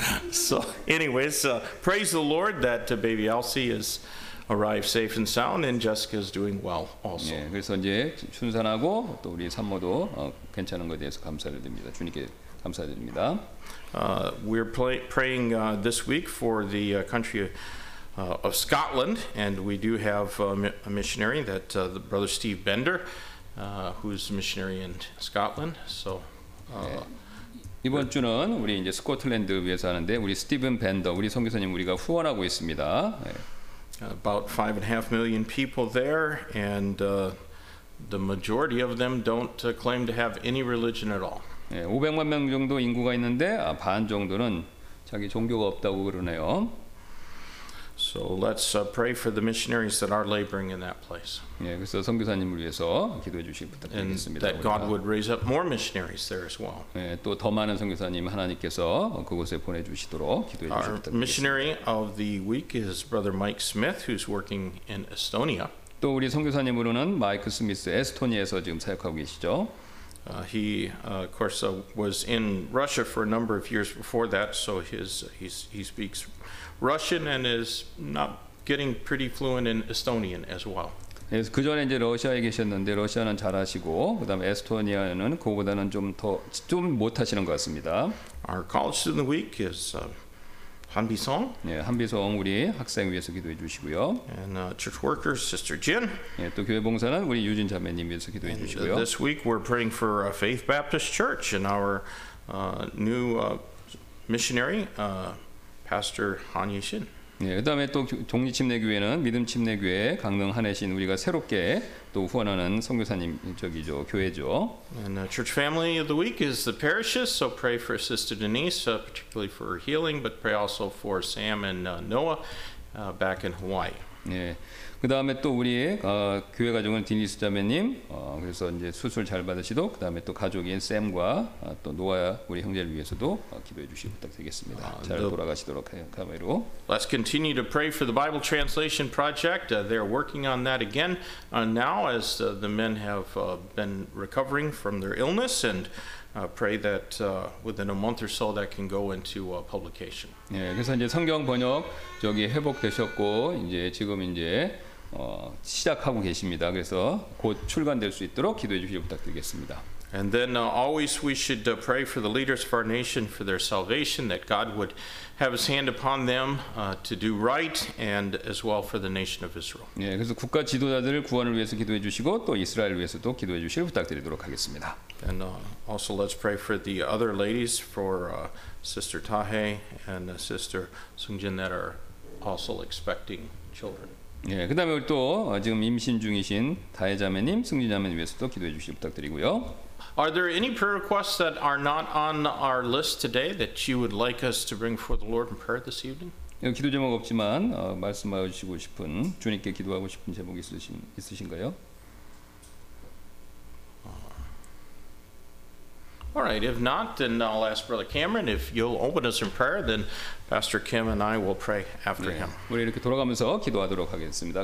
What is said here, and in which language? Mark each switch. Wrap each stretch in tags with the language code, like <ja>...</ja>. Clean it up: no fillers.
<en>So, anyways, praise the Lord that baby Elsie has arrived safe and sound, and Jessica is doing well also.</en> <ko>예, 그래서 이제 순산하고 또 우리 산모도 괜찮은 것에 대해서 감사를 드립니다. 주님께 감사드립니다.</ko> <en>We're praying this week for the country of Scotland, and we do have a missionary that the brother Steve Bender, who's a missionary in Scotland. So</en> <ko>네. 이번 주는 우리 이제 스코틀랜드 위해서 하는데 우리 스티븐 벤더 우리 선교사님 우리가 후원하고 있습니다. 네.</ko> <en>About 5.5 million people there, and the majority of them don't claim to have any religion at all.</en> <ko>500만 명 정도 인구가 있는데 반 정도는 자기 종교가 없다고 그러네요.</ko> <en>So let's pray for the missionaries that are laboring in that place.</en> <ko>예, 그래서 선교사님을 위해서 기도해 주시기 부탁드리겠습니다.</ko> <en>And that God would raise up more missionaries there as well.</en> <ko>예, 또 더 많은 선교사님 하나님께서 그곳에 보내 주시도록 기도해 주시기 부탁드립니다.</ko> <en>Our missionary of the week is Brother Mike Smith, who's working in Estonia.</en> <ko>또 우리 선교사님으로는 마이크 스미스 에스토니아에서 지금 사역하고 계시죠.</ko> <en>He, of course, was in Russia for a number of years before that, so he speaks Russian and is not getting pretty fluent in Estonian as well.</en> <ko>그 전에 이제 러시아에 계셨는데 러시아는 잘하시고 그다음에 에스토니아는 그보다는 좀 못하시는 것 같습니다.</ko> <en>Our college student of the week is Hanbi-sung.</en> <ko>네, 한비성 우리 학생 위해서 기도해 주시고요.</ko> <en>And church worker Sister Jin.</en> <ko>네, 또 교회 봉사는 우리 유진 자매님 위해서 기도해 주시고요.</ko> <en>This week we're praying for a Faith Baptist Church and our new missionary Pastor Han Yishin.</en> <ko>네, 그다음에 또 독립침례교회는 믿음침례교회 강릉 한혜신 우리가 새롭게 또 후원하는 선교사님 저기죠 교회죠.</ko> <en>And the church family of the week is the parishes, so pray for Sister Denise, particularly for her healing, but pray also for Sam and Noah back in Hawaii.</en> <ko>네, 그다음에 또 우리 교회 가족은 디니스 자매님, 그래서 이제 수술 잘 받으시도, 그다음에 또 가족인 샘과 또 노아 우리 형제를 위해서도 기도해 주시기 부탁드리겠습니다. 잘 돌아가시도록 가메로.</ko> <en>Let's continue to pray for the Bible translation project. They're working on that again now as the men have been recovering from their illness and. Pray that within a month or so that can go into publication.</en> <ko>예, 그래서 이제 성경 번역 저기 회복되셨고 이제 지금 이제 시작하고 계십니다. 그래서 곧 출간될 수 있도록 기도해 주시기 부탁드리겠습니다.</ko> <en>And then always we should pray for the leaders of our nation for their salvation, that God would have His hand upon them to do right, and as well for the nation of Israel.</en> <ko>예, 그래서 국가 지도자들을 구원을 위해서 기도해 주시고 또 이스라엘 위해서도 기도해 주시기 부탁드리도록 하겠습니다.</ko> <en>And also let's pray for the other ladies, for Sister Tahe and Sister Sungjin that are also expecting children.</en> <ko>예, 그다음에 또 지금 임신 중이신 다혜 자매님, 승진 자매님 위해서도 기도해 주시기 부탁드리고요.</ko> <en>Are there any prayer requests that are not on our list today that you would like us to bring before the Lord in prayer this evening?</en> <ko>예, 기도 제목 없지만 말씀하여 주시고 싶은 주님께 기도하고 싶은 제목 있으신가요?</ko> <en>All right, if not, then I'll ask Brother Cameron if you'll open us in prayer, then Pastor Kim and I will pray after him.</en> <ko>네, 우리 이렇게 돌아가면서 기도하도록 하겠습니다.</ko>